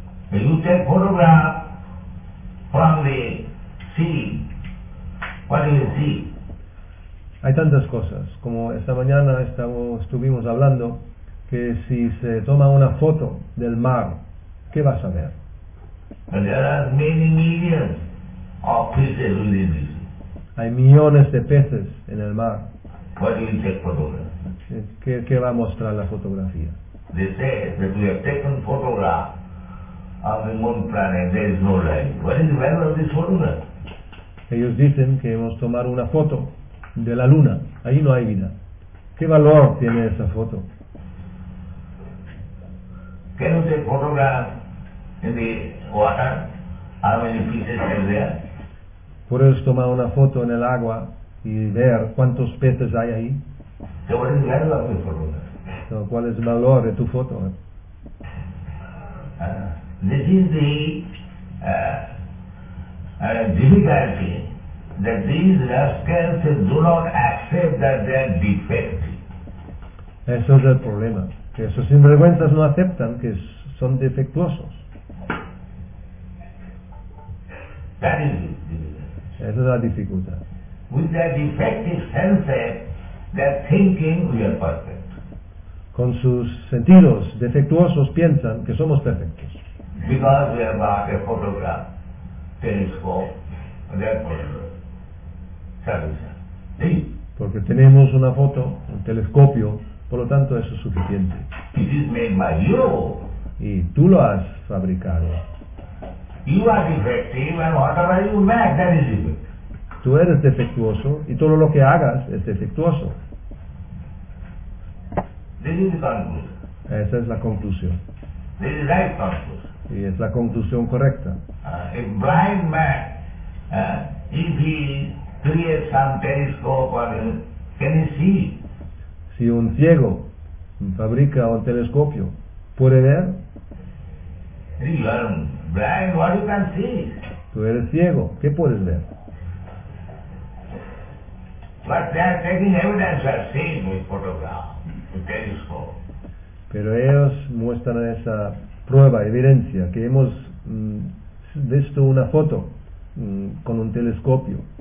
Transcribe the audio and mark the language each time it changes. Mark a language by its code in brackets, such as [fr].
[en] You take photograph from the sea, what do you see? [es] Hay tantas cosas, como esta mañana estuvimos hablando, que si se toma una foto del mar, ¿qué vas a ver? [en] And there are many millions of fishes within it. [es] Hay millones de peces en el mar. [en] What do you take photograph? [es] ¿Qué va a mostrar la fotografía? [en] They say that we have taken photograph of the moon planet, there is no light. What is the value of this photograph? [es] Ellos dicen que hemos tomado una foto de la luna. Ahí no hay vida. ¿Qué valor tiene esa foto? [en] Can you take photograph in the water? How many fishes are there? [es] ¿Puedes tomar una foto en el agua y ver cuántos peces hay ahí? [en] So what is the value of this photograph? [es] So, ¿cuál es el valor de tu foto? [en] This is the difficulty that these rascals do not accept that they are defective. [es] Eso es el problema. Que esos sinvergüenzas no aceptan que son defectuosos. [en] That is the difficulty. [es] Esa es la dificultad. [en] With their defective senses, they are thinking we are perfect. [es] Con sus sentidos defectuosos piensan que somos perfectos. [en] Because we have bought a photograph, telescope, therefore, sí. [es] Porque tenemos una foto, un telescopio, por lo tanto eso es suficiente. [en] It is made by you. [es] Y tú lo has fabricado. [en] You are defective and whatever you make, that is defective. [es] Tú eres defectuoso y todo lo que hagas es defectuoso. [en] This is the conclusion. [es] Esa es la conclusión. [en] This is the right conclusion. [es] Y es la conclusión correcta. [en] A blind man, if he creates some telescope, or can he see? [es] Si un ciego fabrica un telescopio, ¿puede ver? [en] You are blind, what you can see? [es] Tú eres ciego, ¿qué puedes ver? [en] But they are taking evidence of seeing with photograph, with telescope. [es] Pero ellos muestran esa prueba, evidencia, que hemos visto una foto con un telescopio.